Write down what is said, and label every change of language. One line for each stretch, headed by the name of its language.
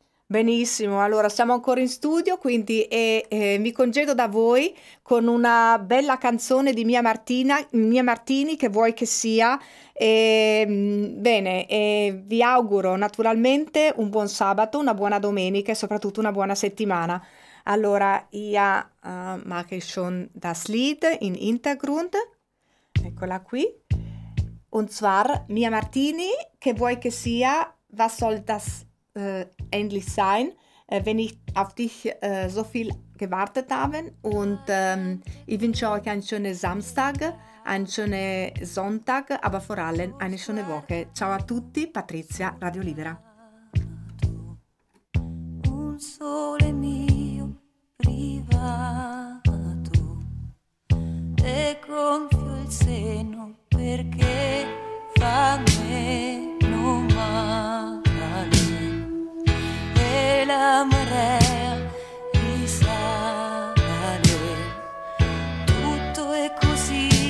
Italian: Benissimo, allora siamo ancora in studio, quindi mi congedo da voi con una bella canzone di Mia Martini, che vuoi che sia. E, bene, e vi auguro naturalmente un buon sabato, una buona domenica e soprattutto una buona settimana. Allora, io
German: mache schon das Lied in Hintergrund,
Italian: eccola qui,
German: und zwar Mia Martini, che vuoi che sia, was soll das endlich sein, wenn ich auf dich so viel gewartet habe, und ich wünsche euch einen schönen Samstag, einen schönen Sonntag, aber vor allem eine schöne Woche.
Italian: Ciao a tutti, Patrizia, Radio Libera. Un sole mio privato, te gonfio il seno perché fa meno male e la marea risale. Tutto è così